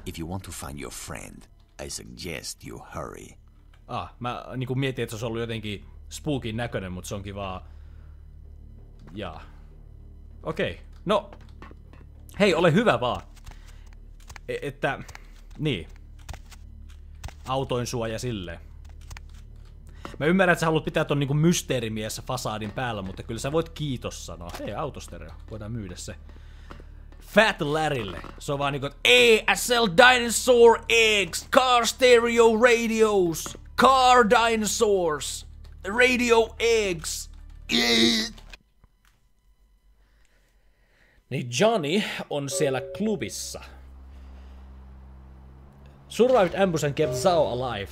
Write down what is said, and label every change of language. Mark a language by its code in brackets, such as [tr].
[en] If you want to find your friend, I suggest you hurry. [fi] Mä niinku mietin, että se olisi ollut jotenkin spookin näköinen, mutta se onkin vaan... Jaa. Okei. Okay. No. Hei, ole hyvä vaan. Että... Niin. Autoin sua ja silleen. Mä ymmärrän, että sä haluat pitää ton niinku mysteerimies fasaadin päällä, mutta kyllä sä voit kiitos sanoa. Hei, autostereo. Voidaan myydä se. Fat Larrylle. Se on vaan niinku, [en] ASL Dinosaur Eggs! Car Stereo Radios! Car Dinosaurs! Radio Eggs! [fi] Niin Johnny on siellä klubissa. [en] Survived ambush and kept Zao alive.